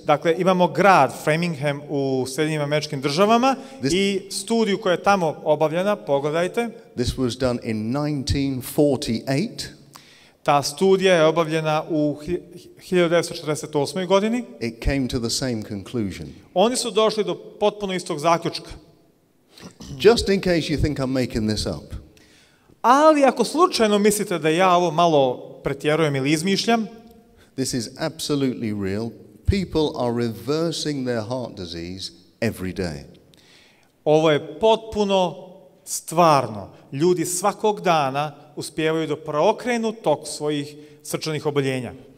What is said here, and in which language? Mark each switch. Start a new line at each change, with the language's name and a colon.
Bosnian: Dakle, imamo grad Framingham u Sjedinjenim Američkim Državama i studiju koja je tamo obavljena, pogledajte.
English: This was done in 1948.
Bosnian: Ta studija je obavljena u 1948. godini.
English: It came to the same conclusion.
Bosnian: Oni su došli do potpuno istog zaključka.
English: Just in case you think I'm making this up.
Bosnian: Ali ako slučajno mislite da ja ovo malo pretjerujem ili izmišljam,
English: this is absolutely real. People are reversing their heart disease every day.
Bosnian: Ovo je potpuno stvarno. Ljudi svakog dana uspijevaju da preokrenu tok svojih srčanih oboljenja.